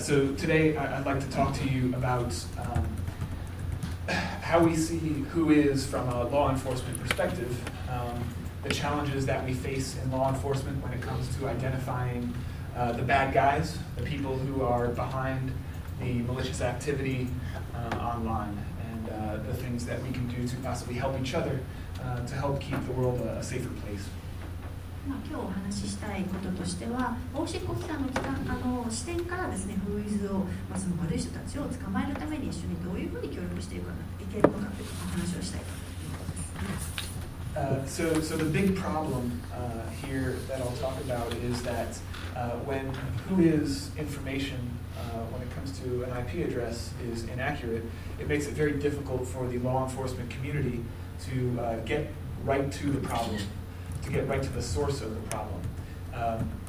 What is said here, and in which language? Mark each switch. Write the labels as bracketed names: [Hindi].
[English] So today I'd like to talk to you about how we see who is from a law enforcement perspective, the challenges that we face in law enforcement when it comes to identifying the bad guys, the people who are behind the malicious activity online, and the things that we can do to possibly help each other to help keep the world a safer place. [Japanese] 今日お話ししたいこととしては、法執行機関 の視点からですね、封印を、その悪い人たちを捕まえるために一緒にどういうふうに協力していくかいけるのかというお話をしたいということです。 [English] So the big problem here that I'll talk about is that when who is information when it comes to an IP address is inaccurate, it makes it very difficult for the law enforcement community to get right to the problem.To get right to the source of the problem.